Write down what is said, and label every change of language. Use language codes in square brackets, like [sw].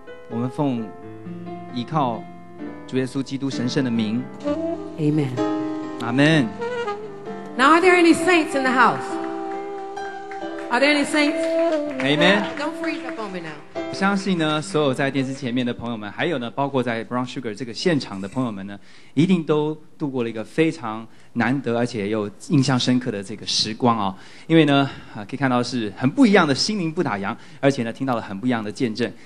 [zh] 我们奉依靠主耶稣基督神圣的名。 [en] Amen. Amen. Now, are there any saints in the house? Are there any saints? Amen. Don't freeze up on me now. [zh] 我相信呢，所有在电视前面的朋友们，还有呢，包括在 Brown Sugar 这个现场的朋友们呢，一定都度过了一个非常难得而且又印象深刻的这个时光啊、哦！因为呢，可以看到是很不一样的心灵不打烊，而且呢，听到了很不一样的见证。